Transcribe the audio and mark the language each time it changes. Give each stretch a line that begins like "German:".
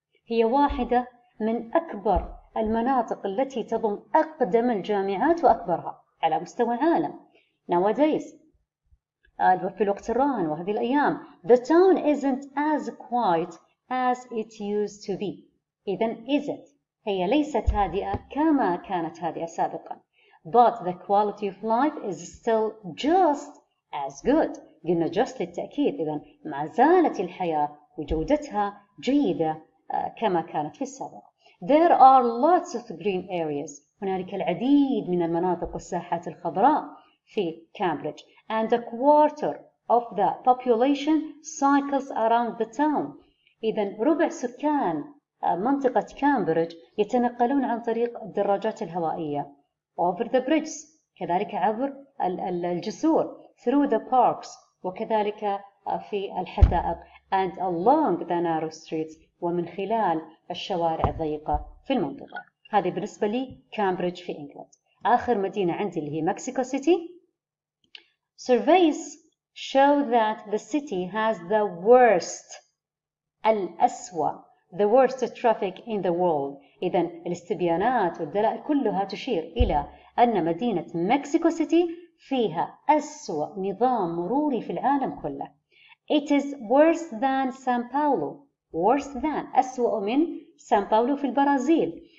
Arabic: هي واحدة من أكبر المناطق التي تضم أقدم الجامعات وأكبرها على مستوى العالم.
English: Nowadays,
Arabic: في الوقت الراهن وهذه الأيام,
English: the town isn't as quiet as it used to be.
Arabic: إذن isn't, هي ليست هادئة كما كانت هادئة سابقا.
English: But the quality of life is still just as good.
Arabic: قلنا just للتأكيد, إذن ما زالت الحياة وجودتها جيدة كما كانت في السابق.
English: There are lots of green areas.
Arabic: هنالك العديد من المناطق والساحات الخضراء في كامبريدج.
English: And a quarter of the population cycles around the town.
Arabic: إذن ربع سكان منطقة كامبريدج يتنقلون عن طريق الدراجات الهوائية.
English: Over the bridges.
Arabic: كذلك عبر الجسور.
English: Through the parks.
Arabic: وكذلك في الحدائق.
English: And along the narrow streets.
Arabic: ومن خلال الشوارع الضيقة في المنطقة. هذه بالنسبة لي كامبريدج في إنجلند. آخر مدينة عندي اللي هي مكسيكو سيتي.
English: Surveys show that the city has the worst, الأسوأ, the worst traffic in the world.
Arabic: إذن الاستبيانات والدلائل كلها تشير إلى أن مدينة مكسيكو سيتي فيها أسوأ نظام مروري في العالم كله.
English: It is worse than San Paulo. Worse than,
Arabic: أسوأ من سان باولو في البرازيل.